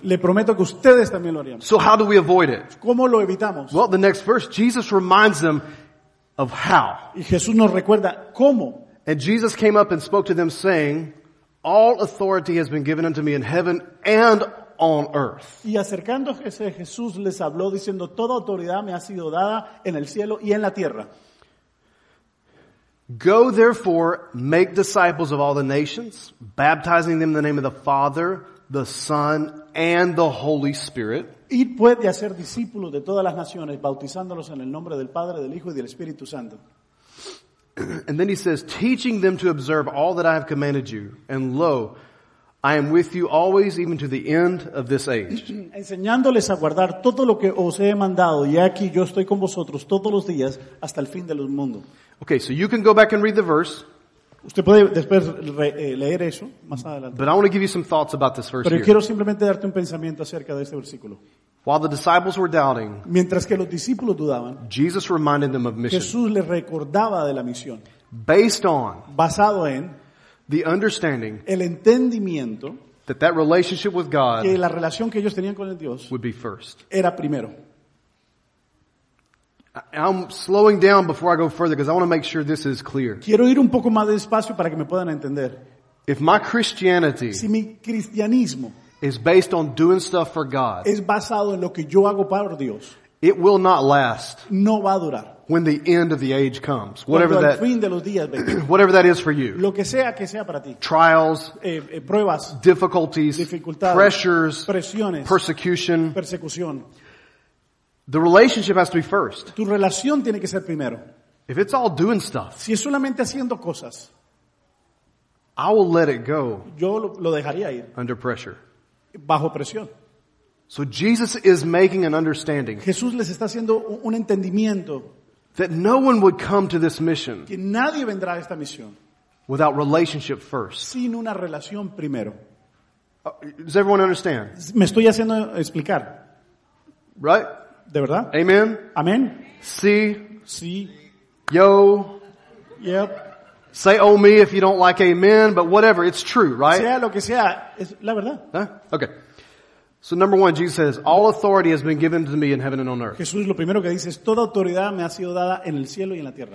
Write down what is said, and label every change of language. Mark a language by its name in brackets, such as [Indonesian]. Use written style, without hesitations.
[Spanish] Le prometo que ustedes también lo harían. [English] So how do we avoid it? [Spanish] ¿Cómo lo evitamos? [English] Well, the next verse, Jesus reminds them of how. [Spanish] Y Jesús nos recuerda cómo. [English] And Jesus came up and spoke to them saying, all authority has been given unto me in heaven and on earth. [Spanish] Y acercándose Jesús les habló diciendo, toda autoridad me ha sido dada en el cielo y en la tierra. [English] Go therefore, make disciples of all the nations, baptizing them in the name of the Father, the Son, and the Holy Spirit. [Spanish] Id pues y hacer discípulos de todas las naciones, bautizándolos en el nombre del Padre, del Hijo y del Espíritu Santo. [English] And then he says, teaching them to observe all that I have commanded you. And lo, I am with you always, even to the end of this age. [Spanish] Enseñándoles a guardar todo lo que os he mandado, y aquí yo estoy con vosotros todos los días hasta el fin del mundo. [English] Okay, so you can go back and read the verse. [Spanish] Usted puede después leer eso más adelante. [English] But I want to give you some thoughts about this verse. [Spanish] Pero quiero simplemente darte un pensamiento acerca de este versículo. [English] While the disciples were doubting, [Spanish] mientras que los discípulos dudaban, [English] Jesus reminded them of mission. [Spanish] Jesús les recordaba de la misión. [English] Based on, [Spanish] basado en, [English] the understanding, [Spanish] el entendimiento, [English] that relationship with God, [Spanish] que la relación que ellos tenían con el Dios, [English] would be first, [Spanish] era primero. [English] I'm slowing down before I go further because I want to make sure this is clear. [Spanish] Quiero ir un poco más despacio para que me puedan entender. [English] If my Christianity, [Spanish] si mi cristianismo, [English] is based on doing stuff for God, [Spanish] es basado en lo que yo hago para Dios, [English] it will not last. [Spanish] No va a durar. [English] When the end of the age comes, whatever that, [Spanish] fin de los días, [English] whatever that is for you, [Spanish] lo que sea para ti, [English] trials, [Spanish] pruebas, [English] difficulties, [Spanish] dificultades, [English] pressures, [Spanish] presiones, [English] persecution, the relationship has to be first. [Spanish] Tu relación tiene que ser primero. [English] If it's all doing stuff, [Spanish] si es solamente haciendo cosas, [English] I will let it go. [Spanish] Yo lo dejaría ir. [English] Under pressure, [Spanish] bajo presión. [English] So Jesus is making an understanding. [Spanish] Jesús les está haciendo un entendimiento. [English] That no one would come to this mission, [Spanish] que nadie vendrá a esta misión, [English] without relationship first. [Spanish] Sin una relación primero. [English] Does everyone understand? [Spanish] Me estoy haciendo explicar. [English] Right? [Spanish] De verdad? [English] Amen. Amen. See. [Spanish] Sí. Yo. [English] Yep. Say oh me if you don't like amen, but whatever, it's true, right? [Spanish] Sea lo que sea, es la verdad. [English] Huh? Okay. So number one, Jesus says, all authority has been given to me in heaven and on earth. [Spanish] Jesús lo primero que dice es, toda autoridad me ha sido dada en el cielo y en la tierra.